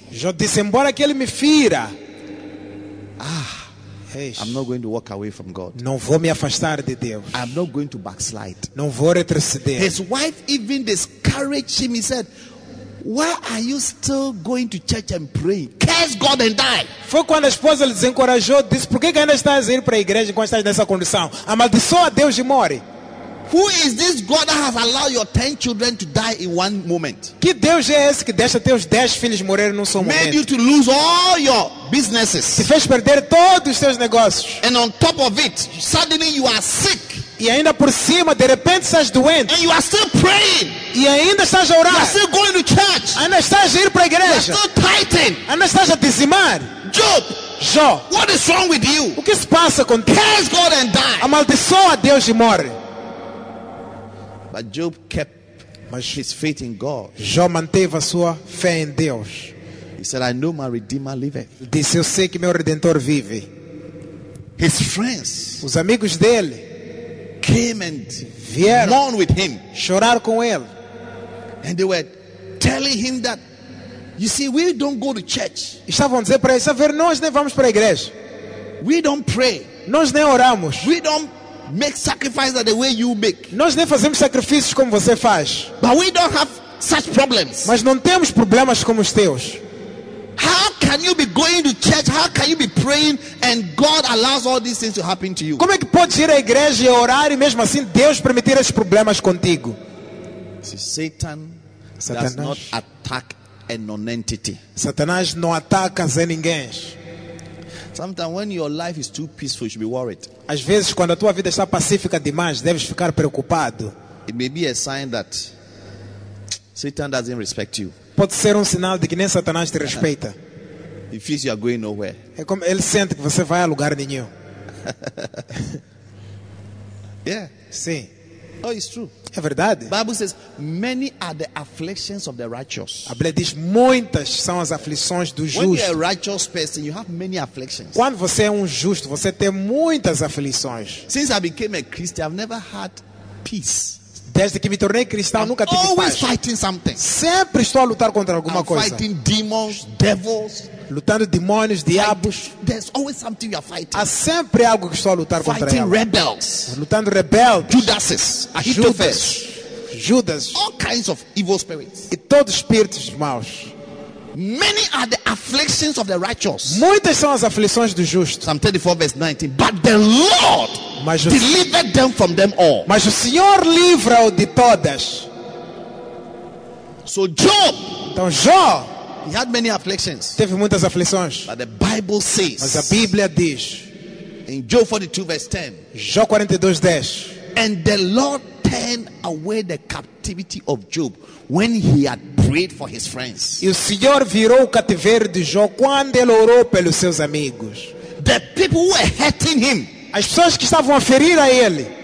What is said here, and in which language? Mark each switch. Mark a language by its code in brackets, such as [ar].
[pt] Jó disse, embora que ele me fira. Ah, eish, [en] I'm not going to walk away from God. [pt] Não vou me afastar de Deus. [en] I'm not going to backslide. [pt] Não vou retroceder. [en] His wife even discouraged him. He said, "Why are you still going to church and praying? Curse God and die." [pt] Foi quando a esposa lhe desencorajou, disse, "Por que ainda estás indo para a igreja quando estás nessa condição? Amaldiçoa Deus e morre." [en] Who is this God that has allowed your 10 children to die in one moment? [pt] Que Deus é esse que deixa teus 10 filhos morrerem num só momento? [en] Made you to lose all your businesses. [pt] Te fez perder todos os teus negócios. [en] And on top of it, suddenly you are sick. [pt] E ainda por cima, de repente estás doente. [en] And you are still praying. [pt] E ainda estás a orar. [en] You are still going to church. [pt] Ainda estás a ir para a igreja. [en] You are still tithing. [pt] Ainda estás a dizimar. [en] Job. [pt] Jó. [en] What is wrong with you? [pt] O que se passa com ti? [en] Curse God and die. [pt] Amaldiçoa Deus e morre. [en] But Job kept his faith in God. [pt] Jó manteve a sua fé em Deus. [en] He said, "I know my Redeemer liveth." [pt] Disse, eu sei que meu Redentor vive. [en] His friends. [pt] Os amigos dele. [en] Came and [pt] vieram [en] mourn with him. [pt] Chorar com ele. [en] And they were telling him that, "You see, we don't go to church." [pt] Estavam a dizer para ele, "Sabe, nós nem vamos para a igreja. [en] We don't pray. [pt] Nós nem oramos. [en] We don't make sacrifices the way you make. [pt] Nós nem fazemos sacrifícios como você faz. [en] But we don't have such problems. [pt] Mas não temos problemas como os teus. [en] How can you be going to church? How can you be praying and God allows all these things to happen to you?" [pt] Como é que podes ir à igreja e orar e mesmo assim Deus permitir esses problemas contigo? [en] See, Satanás does not attack a non-entity. [pt] Satanás não ataca a ninguém. [en] Sometimes when your life is too peaceful, you should be worried. [pt] Às vezes, quando a tua vida está pacífica demais, deves ficar preocupado. [en] It may be a sign that Satan doesn't respect you. [pt] Pode ser sinal de que nem Satanás te respeita. [en] He feels you are going nowhere. [pt] É como ele sente que você vai a lugar nenhum. [en] Yeah. [pt] Sim. [en] Oh, it's true. [pt] É verdade. [en] Bible says, "Many are the afflictions of the righteous." [pt] A Bíblia diz, muitas são as aflições do justo. [en] When you're a righteous person, you have many afflictions. [pt] Quando você é justo, você tem muitas aflições. [en] Since I became a Christian, I've never had peace. [pt] Desde que me tornei cristão, nunca tive [en] always [pt] paz. [en] Fighting something. [pt] Sempre estou a lutar contra alguma [en] I'm [pt] coisa. [en] Fighting demons, devils. [pt] Lutando demônios, diabos. [en] There's always something you are fighting. [pt] Há sempre algo que estou a lutar [en] fighting [pt] contra. [en] Fighting rebels. [pt] Lutando rebeldes. [en] Judases. [pt] Judas. Judas. [en] All kinds of evil spirits. [pt] E todos espíritos maus. [en] Many are the afflictions of the righteous. [pt] Muitas são as aflições dos justos. [en] Psalm 34 verse 19. But the Lord delivered them from them all. [pt] Mas o Senhor livra-o de todas. [en] So Job. [pt] Então Jó. [en] He had many afflictions. [pt] Teve muitas aflições. [en] But the Bible says. [pt] Mas a Bíblia diz. [en] In Job 42 verse 10. [pt] Jó 42 10. [en] And the Lord turned away the captivity of Job when he had prayed for his friends. [pt] E o Senhor virou o cativeiro de Jó quando ele orou pelos seus amigos. [en] The people who were hurting him. [pt] As pessoas que estavam a ferir a ele.